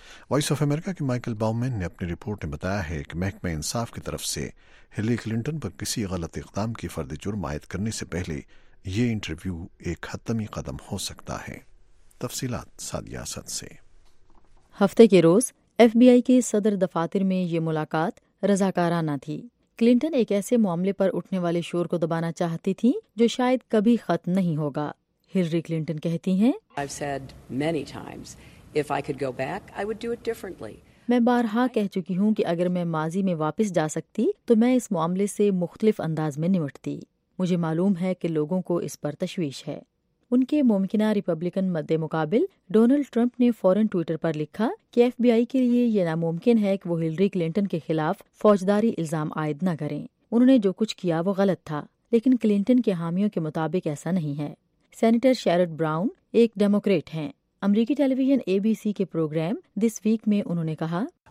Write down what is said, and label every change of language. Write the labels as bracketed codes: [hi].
[ur] Voice of America کے Michael باومین نے اپنی رپورٹ میں بتایا ہے کہ محکمہ انصاف کی طرف سے ہلری کلنٹن پر کسی غلط اقدام کی فرد جرم عائد کرنے سے پہلے یہ انٹرویو ایک حتمی قدم ہو سکتا ہے۔ تفصیلات سعدیہ اسد سے۔ ہفتے کے روز ایف بی آئی کے صدر دفاتر میں یہ ملاقات رضاکارانہ تھی۔ کلنٹن ایک ایسے معاملے پر اٹھنے والے شور کو دبانا چاہتی تھی جو شاید کبھی ختم نہیں ہوگا۔ ہلری کلنٹن کہتی ہیں، [en] I've said many times, if I could go back, I would do it differently. [ur] میں بارہا کہہ چکی ہوں کہ اگر میں ماضی میں واپس جا سکتی تو میں اس معاملے سے مختلف انداز میں نمٹتی۔ مجھے معلوم ہے کہ لوگوں کو اس پر تشویش ہے۔ ان کے ممکنہ ریپبلکن مد مقابل ڈونلڈ ٹرمپ نے فوراً ٹویٹر پر لکھا کہ ایف بی آئی کے لیے یہ ناممکن ہے کہ وہ ہلری کلنٹن کے خلاف فوجداری الزام عائد نہ کریں، انہوں نے جو کچھ کیا وہ غلط تھا، لیکن کلنٹن کے حامیوں کے مطابق ایسا نہیں ہے۔ سینیٹر شیرڈ براؤن ایک ڈیموکریٹ ہیں۔ امریکی ٹیلی ویژن اے بی سی کے پروگرام دس ویک میں انہوں نے کہا،